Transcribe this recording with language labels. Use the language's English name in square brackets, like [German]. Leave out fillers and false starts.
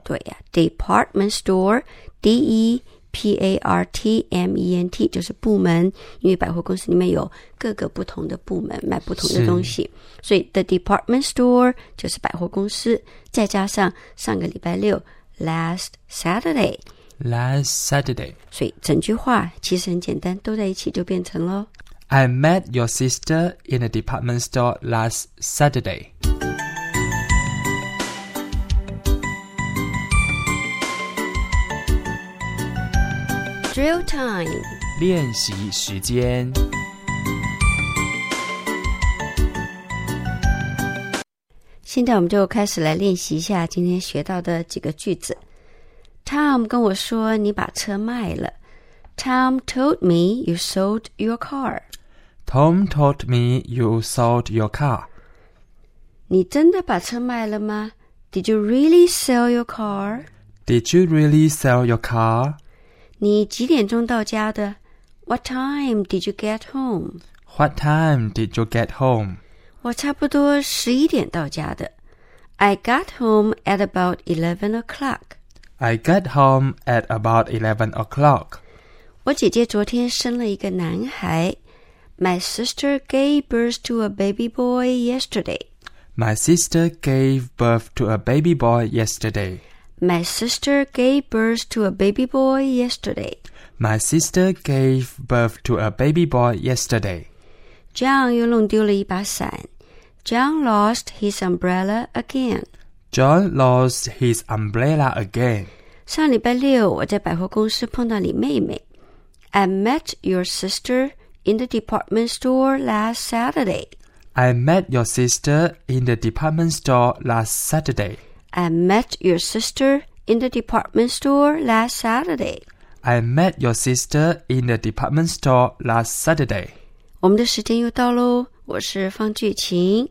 [Chinese] 对呀、啊、,Department store, D-E-P-A-R-T-M-E-N-T, 就是部门，因为百货公司里面有各个不同的部门卖不同的东西。所以 , [English] the department store, [Chinese] 就是百货公司，再加上上个礼拜六 , [English] last Saturday. Last Saturday. [Chinese] 所以整句话其实很简单，都在一起就变成了 [English] I met your sister in a department store last Saturday. Drill time. [Chinese] 练习时间。现在我们就开始来练习一下今天学到的几个句子。 Tom 跟我说你把车卖了。 [English] Tom told me you sold your car. Tom told me you sold your car. [Chinese] 你真的把车卖了吗？ [English] Did you really sell your car? Did you really sell your car? [Chinese] 你几点钟到家的 [English] ?What time did you get home? What time did you get home? [Chinese] 我差不多十一点到家的。 [English] I got home at about 11 o'clock. I got home at about 11 o'clock. [Chinese] 我姐姐昨天生了一个男孩。 [English] My sister gave birth to a baby boy yesterday. My sister gave birth to a baby boy yesterday. My sister gave birth to a baby boy yesterday. My sister gave birth to a baby boy yesterday. [Chinese] John 又弄丢了一把伞。 [English] John lost his umbrella again. John lost his umbrella again. [Chinese] 上礼拜六我在百货公司碰到你妹妹。 [English] I met your sister in the department store last Saturday. I met your sister in the department store last Saturday. I met your sister in the department store last Saturday. I met your sister in the department store last Saturday. [Chinese] 我们的时间又到咯，我是方俊晴，